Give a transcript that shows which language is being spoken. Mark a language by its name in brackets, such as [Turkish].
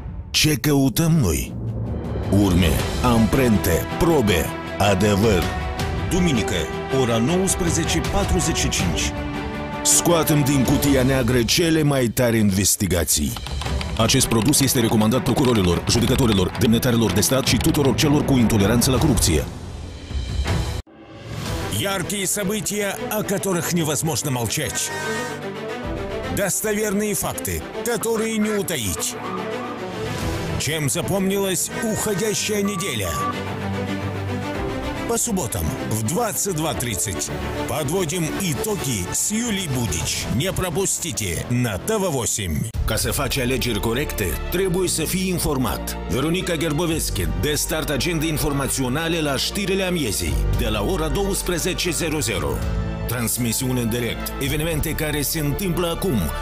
[Romanian] Ce căutăm noi? Urme, amprente, probe, adevăr. Duminică, ora 19:45. Scoatem din cutia neagră cele mai tari investigații. Acest produs este recomandat procurorilor, judecătorilor, demnitarilor de stat și tuturor celor cu intoleranță la corupție. [Russian] Яркие события, о которых невозможно молчать. Достоверные факты, которые не утаить. Чем запомнилась уходящая неделя? По субботам в 22:30 подводим итоги с Юлией Будич. Не пропустите на ТВ8. [Romanian] Ca să faci alegeri corecte, trebuie să fii informat. Veronica Gerbovescu, de start agenda informaționale la știrile amiezii, de la ora 12:00. Transmisiune în direct, evenimente care se întâmplă acum.